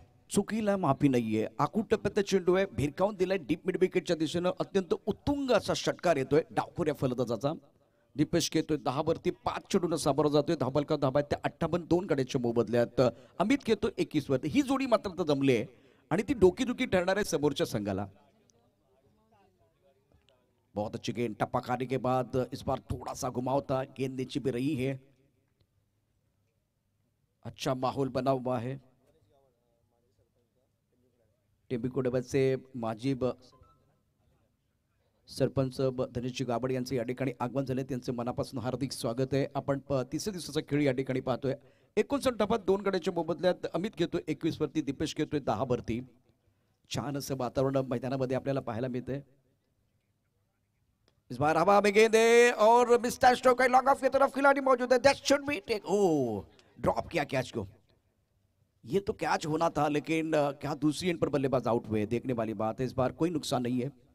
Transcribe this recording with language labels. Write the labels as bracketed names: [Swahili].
[Marathi] चुकीला माफी नाहीये, आकूट टप्प्यात चेंडू आहे, भिरकावून दिलाय डीप मिड विकेटच्या दिशेनं, अत्यंत उत्तुंग असा षटकार येतोय डावखुऱ्या फलंदाजाचा। दीपेश खेळतोय 10 वरती, 5 चेंडूनं सामोर जातोय। धाबलका धाबा आहे 58-2 गड्याच्या मोबदल्यात। अमित खेळतोय 21 वरती। ही जोडी मात्र आता जमली आहे आणि ती डोकीदुखी ठरणार आहे समोरच्या संघाला। [Hindi] बहुत अच्छी गेंद टप्पाखाने के बाद, इस बार थोड़ा सा घुमाव था, गेंद नीचे भी रही है, अच्छा माहौल बना हुआ है। [Marathi] टेम्बिको डबल से माजी सरपंच धनंजय गाबड यांचे या ठिकाणी आगमन झाले, त्यांचे मनापासून हार्दिक स्वागत आहे। आपण तिसऱ्या दिवसाचा खेळ या ठिकाणी पाहतोय। 59 टपात 2 गड्याच्या मोबदल्यात अमित घेतोय 21 वरती, दीपेश घेतोय 10 वरती। छान असं वातावरण मैदानामध्ये आपल्याला पाहायला मिळतंय। [Hindi] इस बार हवा में गेंद है और मिस्टर स्ट्रोक का लॉग ऑफ की तरफ खिलाड़ी मौजूद है, [English] that should be take, [Hindi] O drop किया कैच को, ये तो कैच होना था, लेकिन क्या दूसरी एंड पर बल्लेबाज आउट हुए, देखने वाली बात है। इस बार कोई नुकसान नहीं है।